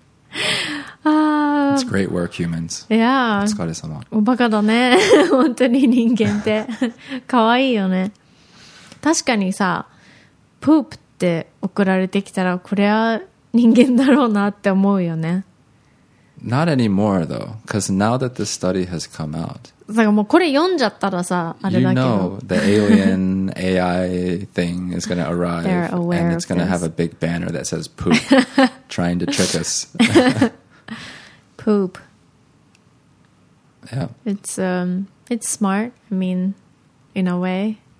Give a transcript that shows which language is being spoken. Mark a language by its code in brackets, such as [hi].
[en] It's great work, humans. Yeah. [ja] お疲れ様。おバカだね。本当に人間って。かわいいよね。確かにさ、poopって送られてきたらこれは人間だろうなって思うよね。 [en] Not anymore though, because now that the study has come out. [ja] だからもうこれ読んじゃったらさ、あれだけど。 [en] You know the alien AI thing is going to arrive, and it's going to have a big banner that says "poop," trying to trick us. Poop. Yeah. It's smart. I mean, in a way.